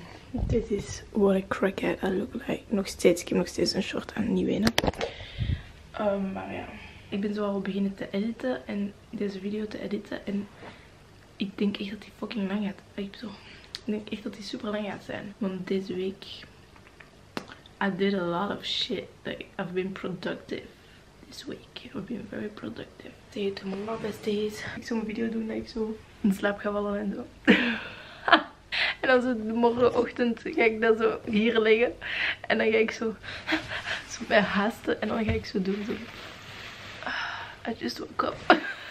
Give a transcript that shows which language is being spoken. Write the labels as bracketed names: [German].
[Dutch] Dit is [English] what a crackhead I look like. [Dutch] Nog steeds, ik heb nog steeds een short aan, niet winnen. Maar ja, ik ben zo al beginnen te editen en deze video te editen. En ik denk echt dat die fucking lang gaat. Ik bedoel, denk echt dat die super lang gaat zijn. Want deze week, [English] I did a lot of shit. Like, I've been productive. This week, I've been very productive. Say it to my mom, besties. [Dutch] Ik zou een video doen dat ik zo in slaap ga vallen en zo. En dan zo morgenochtend ga ik dat zo hier liggen. En dan ga ik zo, zo bij haasten. En dan ga ik zo doen. Zo. [English] I just woke up.